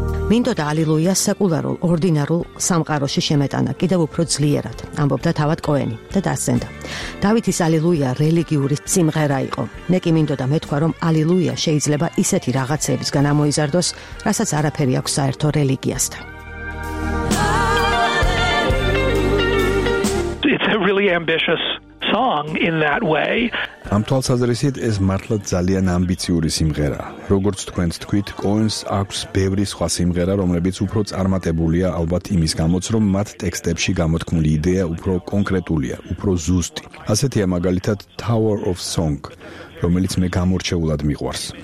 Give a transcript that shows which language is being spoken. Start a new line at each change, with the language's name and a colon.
Georgian: მინდოდა ალილუია სეკულარულ, ორდინარულ სამყაროში შემეტანა, კიდევ უფრო ძლიერად, ამბობდა თავად კოენი და დასცენდა. დავითის ალილუია რელიგიური სიმღერა იყო. მე კი მინდოდა მეთქვა, რომ ალილუია შეიძლება ისეთი რაღაცეებისგან ამოიზარდოს, რასაც არაფერი აქვს საერთო რელიგიასთან.
English: It's a really ambitious song in that way.
Georgian: ამ თვალსაზრისით ეს მართლა ძალიან ამბიციური სიმღერაა. როგორც თქვენ თქვით, კოენს აქვს ბევრი სხვა სიმღერა, რომლებიც უფრო წარმატებულია, ალბათ იმის გამოც, რომ მათ ტექსტებში გამოთქმული იდეა უფრო კონკრეტულია, უფრო ზუსტი. ასეთია მაგალითად Tower of Song, რომელიც მე გამორჩეულად მიყვარს.